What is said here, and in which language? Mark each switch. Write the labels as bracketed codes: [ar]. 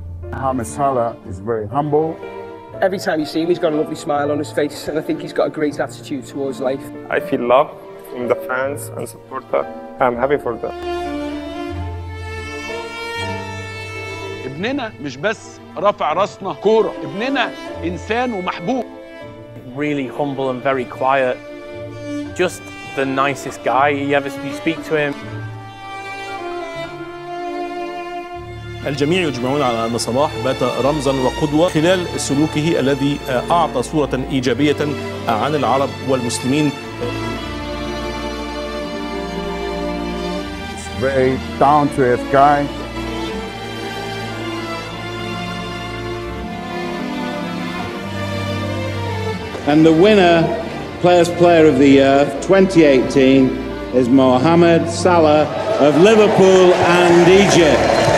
[en] Mohamed Salah is very humble. Every time you see him, he's got a lovely smile on his face, and I think he's got a great attitude towards life. I feel love from the fans and supporters. I'm happy for that. [ar] ابننا مش بس رفع راسنا كورة، ابننا إنسان ومحبوب. [en] Really humble and very quiet. Just the nicest guy you ever speak to him. [ar] الجميع يجمعون على أن صلاح بات رمزاً وقدوة خلال سلوكه الذي أعطى صورة إيجابية عن العرب والمسلمين. [en] It's very down to earth guy. And the winner, Players Player of the Year 2018, is Mohamed Salah of Liverpool and Egypt.